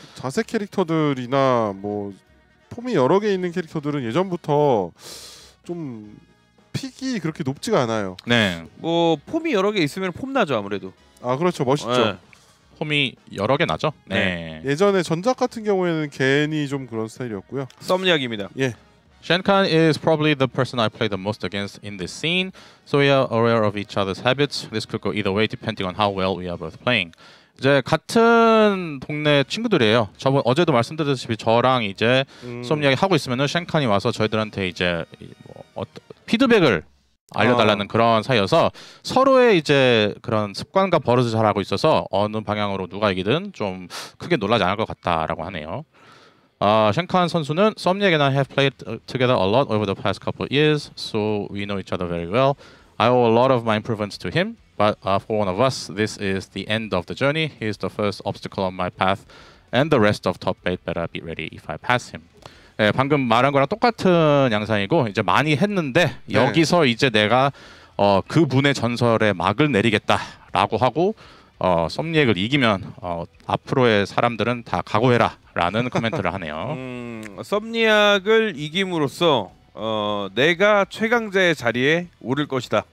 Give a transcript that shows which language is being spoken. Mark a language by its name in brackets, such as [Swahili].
[Korean] 자세 캐릭터들이나 뭐 폼이 여러 개 있는 캐릭터들은 예전부터 좀 픽이 그렇게 높지가 않아요. 네. 뭐 폼이 여러 개 있으면 폼나죠 아무래도. 아 그렇죠. 멋있죠. 네. 폼이 여러 개 나죠. 네. 네. 예전에 전작 같은 경우에는 괜히 좀 그런 스타일이었고요. 썸 이야기입니다. 예. [English] Shen Kan is probably the person I play the most against in this scene, so we are aware of each other's habits. This could go either way depending on how well we are both playing. [Korean] 이제 같은 동네 친구들이에요. 저번 어제도 말씀드렸듯이 저랑 이제 썸 이야기 하고 있으면은 Shen Kan이 와서 저희들한테 이제 뭐 피드백을 알려달라는 그런 사이여서 서로의 이제 그런 습관과 버릇을 잘 알고 있어서 어느 방향으로 누가 이기든 좀 크게 놀라지 않을 것 같다라고 하네요. 샹칸 선수는 썸니에 [English] and I have played together a lot over the past couple of years, so we know each other very well. I owe a lot of my improvements to him, but for one of us, this is the end of the journey. He is the first obstacle on my path, and the rest of top 8 better be ready if I pass him. [Korean] 예, 방금 말한 거랑 똑같은 양상이고 이제 많이 했는데 네. 여기서 이제 내가 그분의 전설에 막을 내리겠다라고 하고 썸니엑을 이기면 앞으로의 사람들은 다 각오해라 라는 코멘트를 하네요. 썸니엑을 이김으로써 내가 최강자의 자리에 오를 것이다